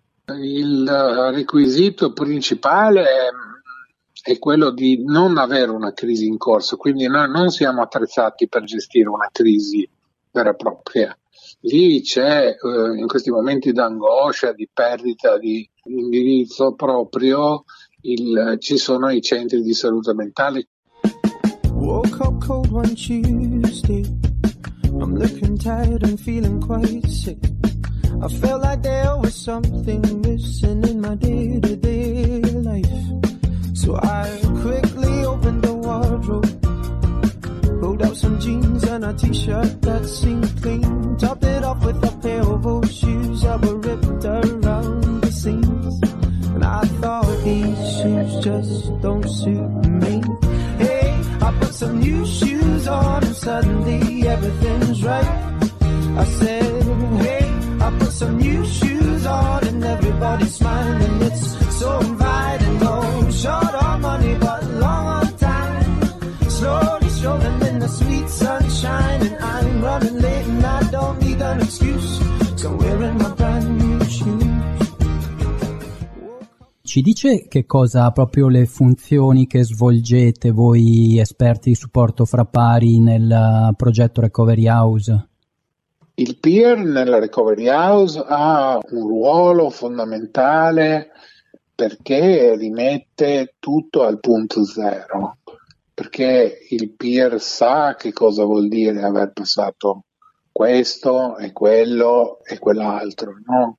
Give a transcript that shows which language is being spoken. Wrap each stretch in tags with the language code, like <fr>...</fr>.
<it>Il requisito principale è quello di non avere una crisi in corso, quindi noi non siamo attrezzati per gestire una crisi vera e propria. Lì c'è in questi momenti d'angoscia, di perdita di indirizzo proprio, ci sono i centri di salute mentale.</it> <en>Woke up cold one Tuesday, I'm looking tired and feeling quite sick. I felt like there was something missing in my day-to-day life. So I quickly opened the wardrobe, pulled out some jeans and a t-shirt that seemed clean, topped it off with a pair of old shoes that were ripped around the seams. And I thought these shoes just don't suit me. Hey, I put some new shoes on and suddenly everything's right. I said, hey, I put some new shoes on and everybody's smiling, it's so inviting. Oh, short on money but long on time, slowly strolling in the sweet sunshine, and I'm running late and I don't need an excuse, so wearing my brand new shoes.</en> <it>Ci dice che cosa, proprio le funzioni che svolgete voi esperti di supporto fra pari nel progetto Recovery House? Il peer nella Recovery House ha un ruolo fondamentale perché rimette tutto al punto zero, perché il peer sa che cosa vuol dire aver passato questo e quello e quell'altro, no?</it>